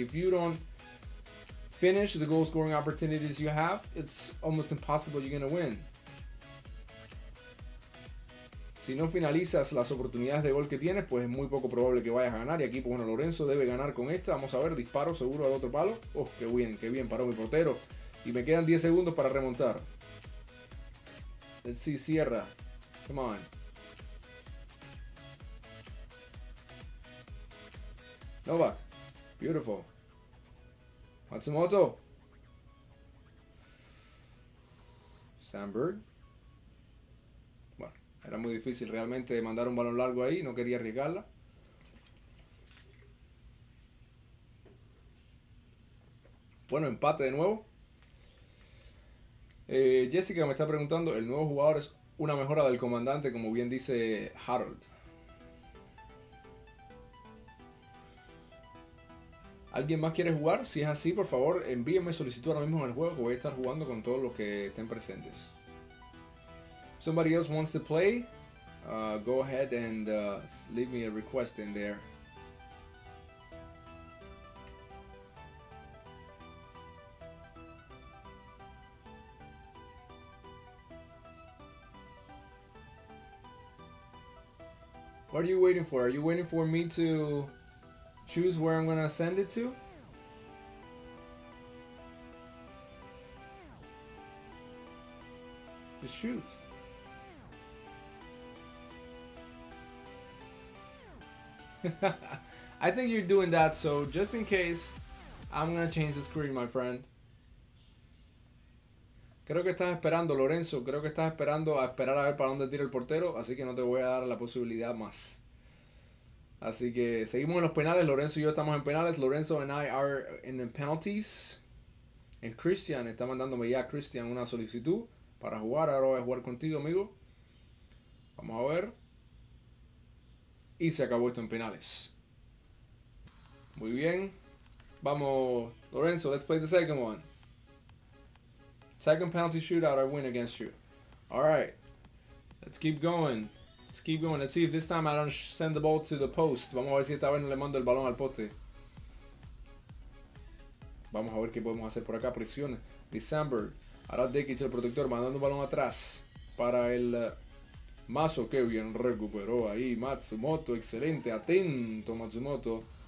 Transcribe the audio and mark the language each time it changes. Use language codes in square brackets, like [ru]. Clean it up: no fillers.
[en] If you don't finish the goal-scoring opportunities you have, it's almost impossible you're going to win. [es] Si no finalizas las oportunidades de gol que tienes, pues es muy poco probable que vayas a ganar. Y aquí, pues bueno, Lorenzo debe ganar con esta. Vamos a ver, disparo seguro al otro palo. ¡Oh, qué bien, paró mi portero! Y me quedan 10 segundos para remontar. [en] Let's see, Sierra. Come on. Novak. Beautiful. Matsumoto. Sandberg. [es] Era muy difícil realmente mandar un balón largo ahí, no quería arriesgarla. Bueno, empate de nuevo. Jessica me está preguntando, ¿el nuevo jugador es una mejora del comandante, como bien dice Harold? ¿Alguien más quiere jugar? Si es así, por favor, envíenme solicitud ahora mismo en el juego, que voy a estar jugando con todos los que estén presentes. [en] Somebody else wants to play, go ahead and leave me a request in there. What are you waiting for? Are you waiting for me to choose where I'm gonna send it to? Just shoot. I think you're doing that, so just in case, I'm gonna change the screen, my friend. [es] Creo que estás esperando, Lorenzo. Creo que estás esperando a esperar a ver para dónde tira el portero, así que no te voy a dar la posibilidad más. Así que seguimos en los penales. Lorenzo y yo estamos en penales. [en] Lorenzo and I are in the penalties. [es] En Christian está mandándome ya Christian una solicitud para jugar. Ahora voy a jugar contigo, amigo. Vamos a ver. Y se acabó esto en penales. Muy bien. Vamos, Lorenzo, [en] let's play the second one. Second penalty shootout, I win against you. Alright. Let's keep going. Let's keep going. Let's see if this time I don't send the ball to the post. [es] Vamos a ver si esta vez no le mando el balón al poste. Vamos a ver qué podemos hacer por acá. Presión. December. Ahora Dekic, el protector, mandando un balón atrás. Para el Mazo. Qué bien recuperó ahí Matsumoto. Excelente. Atento Matsumoto.